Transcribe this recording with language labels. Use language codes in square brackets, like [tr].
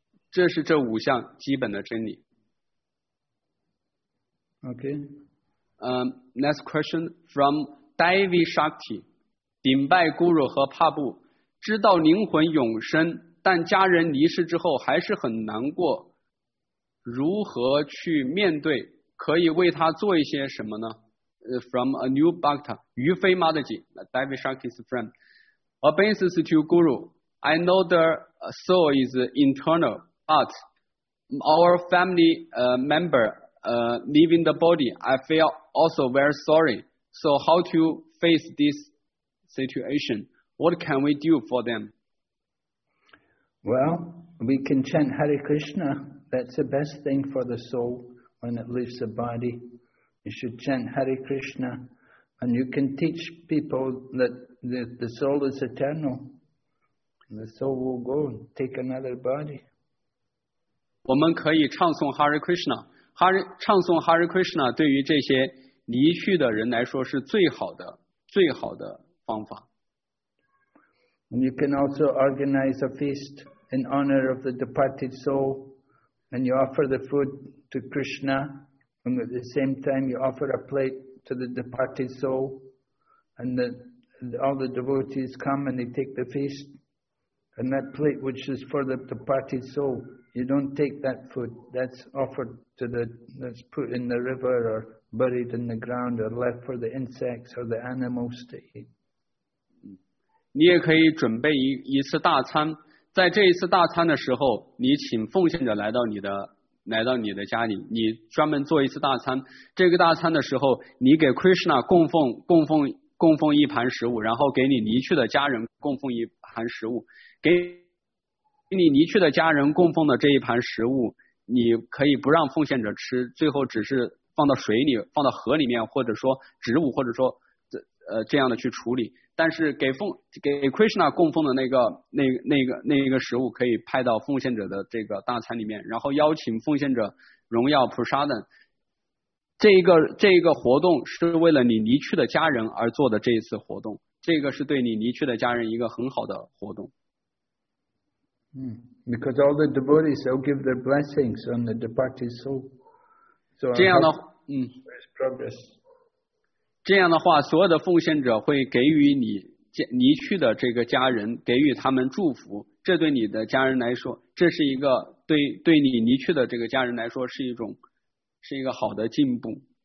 [zh] 这是这五项基本的真理。 [en] Okay. Next question from Devi Shakti, [zh] 顶拜孤乳和帕布。知道灵魂永生，但家人离世之后还是很难过，如何去面对？可以为他做一些什么呢？ [en] from a new bhakta, 于飞 Mataji, Devi Shakti's friend. Obeisances to Guru. I know the soul is internal, but our family member leaving the body, I feel also very sorry. So how to face this situation? What can we do for them? Well, we can chant Hare Krishna. That's the best thing for the soul when it leaves the body. You should chant Hare Krishna. And you can teach people that the soul is eternal. The soul will go and take another body. [zh] 我们可以唱诵 Hare Krishna。唱诵 Hare Krishna 对于这些离去的人来说是最好的、最好的方法。 [en] And you can also organize a feast in honor of the departed soul, and you offer the food to Krishna, and at the same time you offer a plate to the departed soul, and all the devotees come and they take the feast, and that plate which is for the departed soul, you don't take that food, that's offered to the, that's put in the river or buried in the ground or left for the insects or the animals to eat. [zh] 你也可以准备 一次大餐，在这一次大餐的时候，你请奉献者来到你的家里，你专门做一次大餐。这个大餐的时候，你给 Krishna 供奉一盘食物，然后给你离去的家人供奉一盘食物，给你离去的家人供奉的这一盘食物，你可以不让奉献者吃，最后只是放到水里，放到河里面，或者说植物，或者说这样的去处理。但是给 Krishna 供奉的那个食物可以派到奉献者的这个大餐里面，然后邀请奉献者荣耀菩萨等。这个活动是为了你离去的家人而做的这一次活动，这个是对你离去的家人一个很好的活动。 [en] 嗯 ，because all the devotees will give their blessings on the departed soul. So [zh] 这样的 [en] progress. [zh] 这样的话，所有的奉献者会给予你离去的这个家人给予他们祝福，这对你的家人来说，这是一个对你离去的这个家人来说是一种是一个好的进步。